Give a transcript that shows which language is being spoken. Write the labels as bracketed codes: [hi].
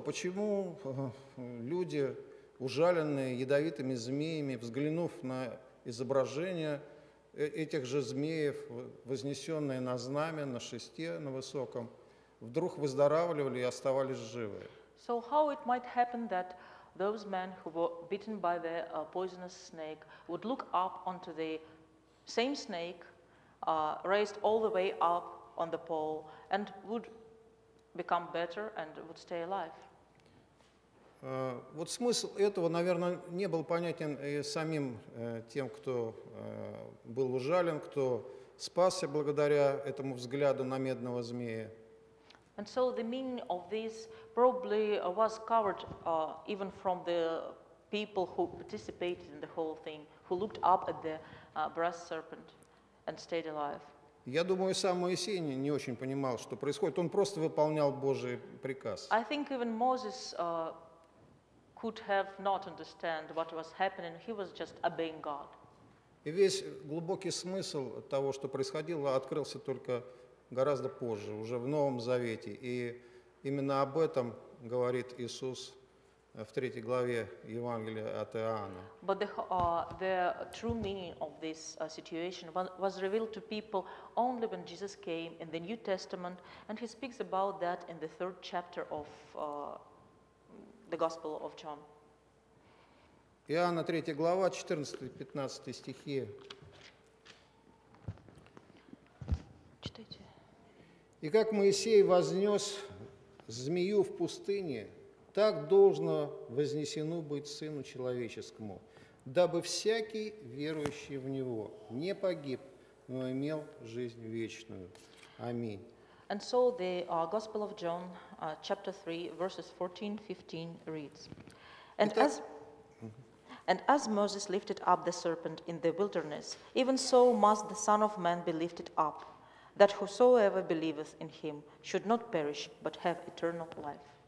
[ru] Почему люди, ужаленные ядовитыми змеями, взглянув на изображение этих же змеев, вознесенные на знамя, на шесте, на высоком, вдруг выздоравливали и оставались живы? [en] So how it might happen that those men who were bitten by the poisonous snake would look up onto the same snake, raised all the way up on the pole, and would become better and would stay alive. [ru] Вот смысл этого, наверное, не был понятен и самим тем, кто был ужален, кто спасся благодаря этому взгляду на медного змея. [en] And so the meaning of this probably was covered even from the people who participated in the whole thing, who looked up at the brass serpent and stayed alive. [ru] Я думаю, сам Моисей не очень понимал, что происходит. Он просто выполнял Божий приказ. [en] I think even Moses could have not understand what was happening. He was just obeying God. [ru] И весь глубокий смысл того, что происходило, открылся только гораздо позже, уже в Новом Завете. И именно об этом говорит Иисус в 3 главе Евангелия от Иоанна. [en] But the true meaning of this situation was revealed to people only when Jesus came in the New Testament, and he speaks about that in the 3rd chapter of the Gospel of John. [ru] Иоанна 3 глава, 14-15 стихи. Читайте. И как Моисей вознес змею в пустыне, так должно вознесено быть Сыну Человеческому, дабы всякий, верующий в Него, не погиб, но имел жизнь вечную. Аминь. [en] And so the Gospel of John, chapter 3, verses 14-15 reads. And as Moses lifted up the serpent in the wilderness, even so must the Son of Man be lifted up, that whosoever believeth in Him should not perish, but have eternal life.